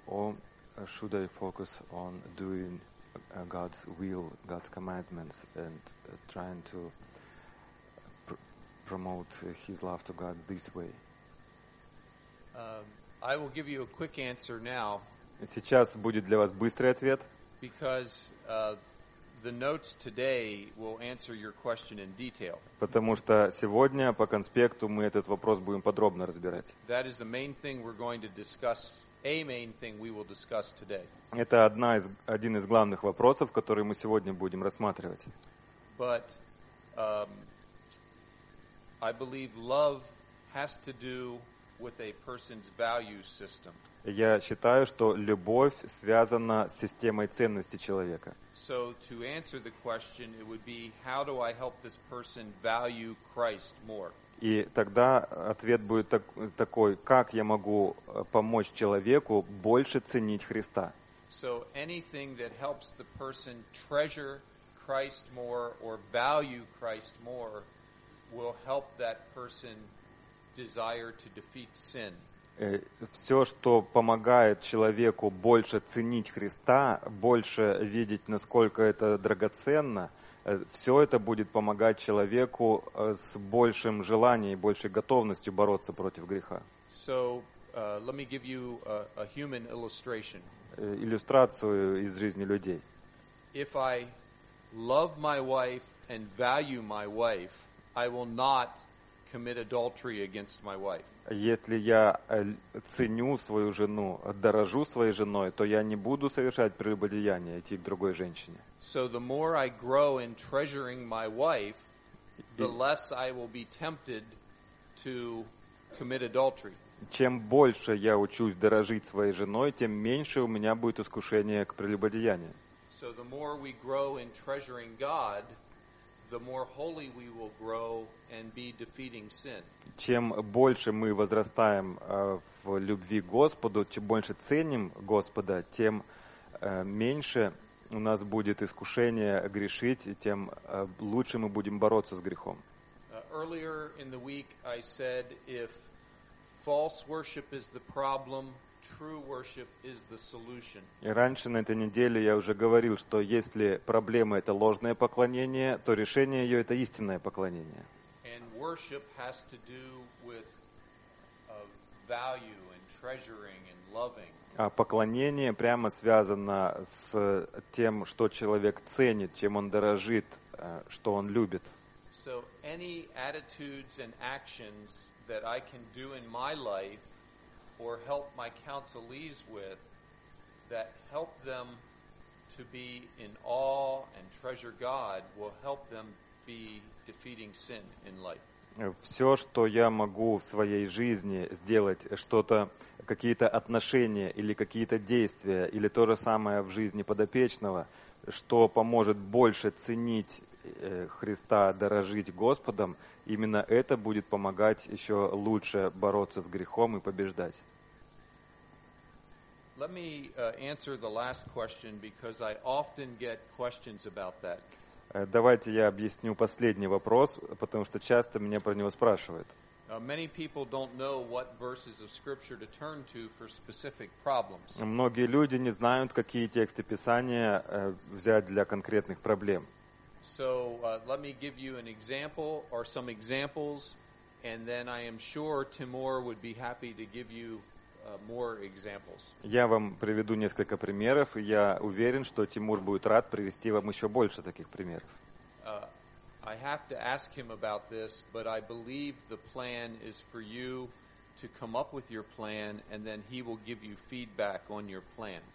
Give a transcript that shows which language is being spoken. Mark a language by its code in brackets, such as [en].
[en] Or should I focus on doing God's will, God's commandments, and trying to promote His love to God this way? I will give you a quick answer now. [ru] Сейчас будет для вас быстрый ответ. [en] Because the notes today will answer your question in detail. [ru] Потому что сегодня по конспекту мы этот вопрос будем подробно разбирать. [en] That is the main thing we're going to discuss. A main thing we will discuss today. [ru] Это один из главных вопросов, который мы сегодня будем рассматривать. [en] But I believe love has to do with a person's value system. [ru] Я считаю, что любовь связана с системой ценностей человека. [en] So to answer the question, it would be, how do I help this person value Christ more? [ru] И тогда ответ будет такой: как я могу помочь человеку больше ценить Христа? [en] So anything that helps the person treasure Christ more or value Christ more will help that person desire to defeat sin. [ru] Все, что помогает человеку больше ценить Христа, больше видеть, насколько это драгоценно, все это будет помогать человеку с большим желанием и большей готовностью бороться против греха. [en] So, let me give you a human illustration. [ru] Иллюстрацию из жизни людей. [en] If I love my wife and value my wife, I will not commit adultery against my wife. [ru] Если я ценю свою жену, дорожу своей женой, то я не буду совершать прелюбодеяние, идти к другой женщине. [en] So the more I grow in treasuring my wife, the less I will be tempted to commit adultery. [ru] Чем больше я учусь дорожить своей женой, тем меньше у меня будет искушение к прелюбодеянию. [en] So the more we grow in treasuring God, the more holy we will grow and be defeating sin. [ru] Чем больше мы возрастаем в любви к Господу, чем больше ценим Господа, тем меньше у нас будет искушение грешить, и тем лучше мы будем бороться с грехом. [en] Earlier in the week I said, if false worship is the problem, true worship is the solution. [ru] И раньше на этой неделе я уже говорил, что если проблема это ложное поклонение, то решение ее это истинное поклонение. [en] And worship has to do with value and treasuring and loving. [ru] А поклонение прямо связано с тем, что человек ценит, чем он дорожит, что он любит. [en] So any attitudes and actions that I can do in my life or help my counselees with that help them to be in awe and treasure God will help them be defeating sin in life. [ru] Все, что я могу в своей жизни сделать, что-то, какие-то отношения или какие-то действия, или то же самое в жизни подопечного, что поможет больше ценить Христа, дорожить Господом, именно это будет помогать еще лучше бороться с грехом и побеждать. [en] Let me answer the last question, because I often get questions about that. [ru] Давайте я объясню последний вопрос, потому что часто меня про него спрашивают. [en] Many people don't know what verses of scripture to turn to for specific problems. [ru] Многие люди не знают, какие тексты Писания взять для конкретных проблем. [en] So, let me give you an example or some examples, and then I am sure Timur would be happy to give you more examples. [ru] Я вам приведу несколько примеров, и я уверен, что Тимур будет рад привести вам еще больше таких примеров. [en] I have to ask him about this, but I believe the plan is for you to come up with your plan, and then he will give you feedback on your plan.